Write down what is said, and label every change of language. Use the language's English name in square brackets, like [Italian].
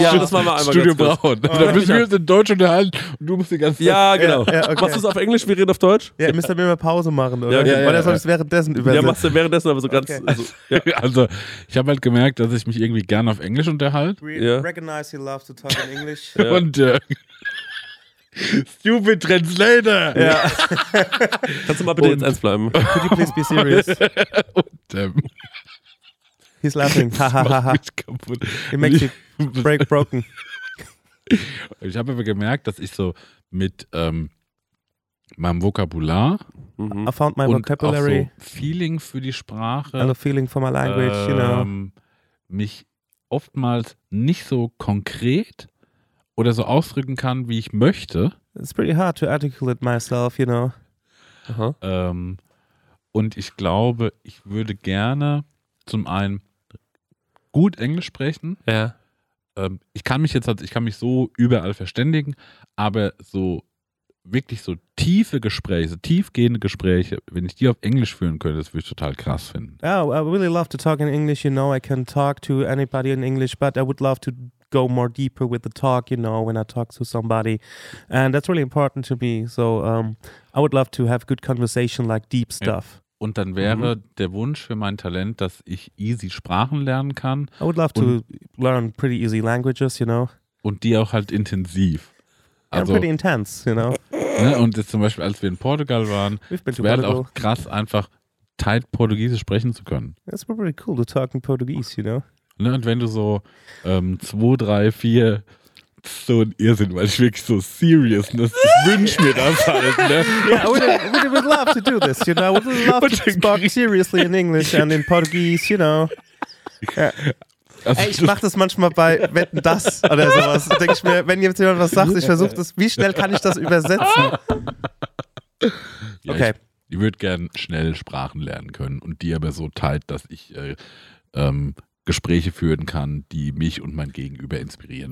[German] Ja, das machen wir einmal Studio ganz kurz. Studio Braun. Da müssen wir uns in Deutsch unterhalten und du musst die ganze Zeit. Ja, genau. Ja, okay. Machst du es auf Englisch, wir reden auf Deutsch? Ja, ihr müsst dann immer Pause machen, oder? Ja, okay. Weil er soll es währenddessen übersetzen. Ja, machst du währenddessen aber so ganz. Okay. Also, ja. Also, ich habe halt gemerkt, dass ich mich irgendwie gerne auf Englisch unterhalte. [English] We recognize you love to talk in English. [German] Ja. Und [English] stupid Translator! [German] Ja. Kannst du mal bitte und, jetzt eins bleiben? [English] Could you please be serious? [German] Und, [English] he's laughing. Ha, ha, ha. [German] Macht mich kaputt. [English] It makes you break broken. [German] Ich habe aber gemerkt, dass ich so mit meinem Vokabular [English] I found my vocabulary. [German] Und auch so Feeling für die Sprache. [English] Also Feeling for my language, you know. [German] Mich oftmals nicht so konkret oder so ausdrücken kann, wie ich möchte. [English] It's pretty hard to articulate myself, you know. [German] Und ich glaube, ich würde gerne zum einen gut Englisch sprechen. Ja. Ich kann mich so überall verständigen, aber so wirklich so tiefe Gespräche, tiefgehende Gespräche, wenn ich die auf Englisch führen könnte, das würde ich total krass finden. [English] Oh, I really love to talk in English, you know, I can talk to anybody in English, but I would love to go more deeper with the talk, you know, when I talk to somebody. And that's really important to me. So I would love to have good conversation, like deep stuff. Ja. [German] Und dann wäre der Wunsch für mein Talent, dass ich easy Sprachen lernen kann. [English] I would love to learn pretty easy languages, you know. [German] Und die auch halt intensiv. Also, [English] pretty intense, you know. [German] Ne, und jetzt zum Beispiel, als wir in Portugal waren, wäre auch krass, einfach tight Portugiesisch sprechen zu können. [English] That's pretty cool to talk in Portuguese, you know. [German] Ne, und wenn du so 2, 3, 4 so ein Irrsinn, weil ich wirklich so serious und das wünsche mir das halt. Ne? [English] Yeah, we would love to do this, you know. We would love to talk seriously in English and in Portuguese, you know. Yeah. [German] Also, ey, ich mach das manchmal bei Wetten, das oder sowas. Da denke ich mir, wenn jetzt jemand was sagt, ich versuche das, wie schnell kann ich das übersetzen? Ja, okay. Ich würde gern schnell Sprachen lernen können und die aber so tight, dass ich Gespräche führen kann, die mich und mein Gegenüber inspirieren.